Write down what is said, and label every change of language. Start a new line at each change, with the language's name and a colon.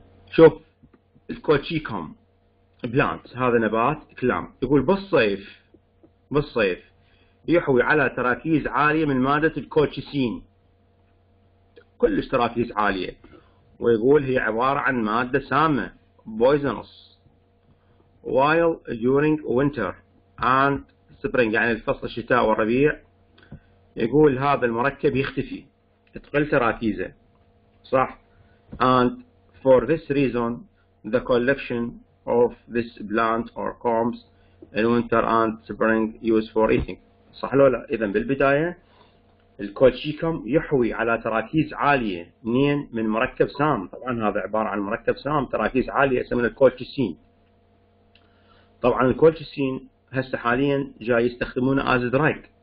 Arabic: شوف الكوتشيكوم بلانت هذا نبات كلام، يقول بالصيف بالصيف يحوي على تراكيز عالية من مادة الكوتشيسين، كلش تراكيز عالية، ويقول هي عبارة عن مادة سامة
English: poisonous while during winter and spring
Arabic: يعني الفصل الشتاء والربيع. يقول هذا المركب يختفي تقل تراكيزه صح،
English: and for this reason the collection of this plant or combs in winter and spring used for eating.
Arabic: صح لو لا؟ اذا بالبداية الكولشيكم يحوي على تراكيز عالية منين؟ من مركب سام، طبعا هذا عبارة عن مركب سام تراكيز عالية اسمه الكولشيسين. طبعا الكولشيسين هسه حاليا جاي يستخدمونه
English: as drug.